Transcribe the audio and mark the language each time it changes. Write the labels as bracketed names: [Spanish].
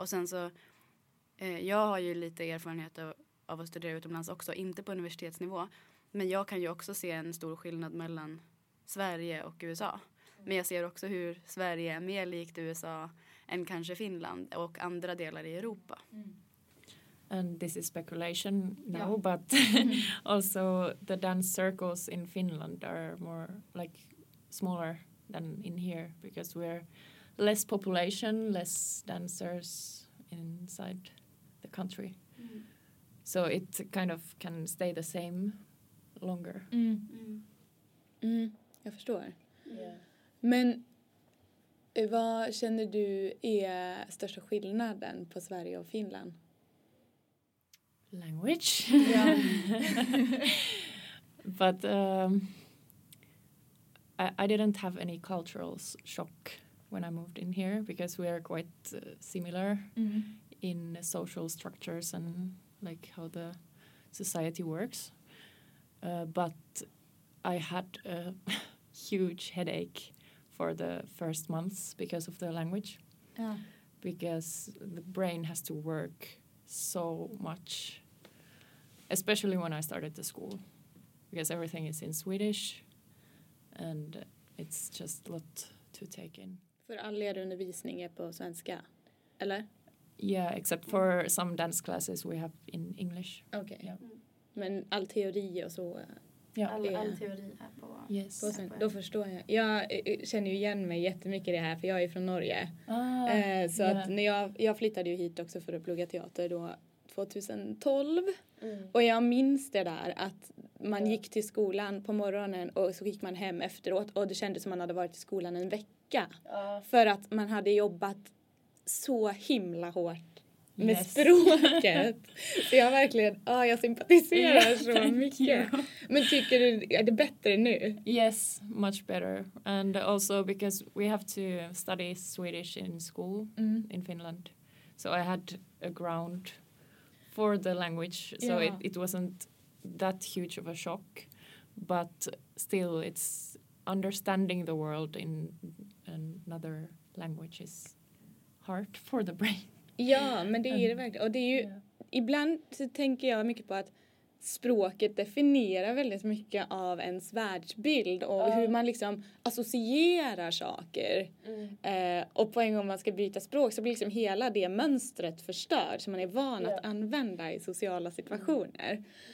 [Swedish] Och sen så, jag har ju lite erfarenhet av att studera utomlands också, inte på universitetsnivå. Men jag kan ju också se en stor skillnad mellan Sverige och USA. Men jag ser också hur Sverige är mer likt USA än kanske Finland och andra delar i Europa. [English] And this is speculation now, yeah. But also the dance circles in Finland are more like smaller than in here because we're less population, less dancers inside the country. So it kind of can stay the same longer. [Swedish] Jag förstår. [English] Yeah. [Swedish] Men vad känner du är största skillnaden på Sverige och Finland? [English] Language. But I didn't have any cultural shock when I moved in here because we are quite similar in social structures and like how the society works. But I had a huge headache for the first months because of the language. Yeah. Because the brain has to work so much, especially when I started the school, because everything is in Swedish and it's just a lot to take in. [Swedish] För all er undervisning är på svenska, eller? [English] Yeah, except for some dance classes we have in English. Okay. Yeah. [Swedish] Men all teori och så Ja. All teori är på, [English] yes. [Swedish] På sen, då förstår jag. Jag känner ju igen mig jättemycket i det här, för jag är från Norge. Ah, så [English] yeah. [Swedish] Att när jag flyttade ju hit också för att plugga teater då 2012. Mm. Och jag minns det där att man gick till skolan på morgonen och så gick man hem efteråt. Och det kändes som man hade varit i skolan en vecka. För att man hade jobbat så himla hårt med språket. Så jag verkligen, jag sympatiserar så mycket. [English] You. [Swedish] Men tycker du, är det bättre nu? [English] Yes, much better. And also because we have to study Swedish in school in Finland. So I had a ground for the language, so it wasn't that huge of a shock, but still, it's understanding the world in another language is hard for the brain. [Swedish] Ja, men det är det verkligen. Och det är ju, ibland så tänker jag mycket på att språket definierar väldigt mycket av ens världsbild och hur man liksom associerar saker. Mm. Och på en gång man ska byta språk så blir liksom hela det mönstret förstört som man är van att använda i sociala situationer.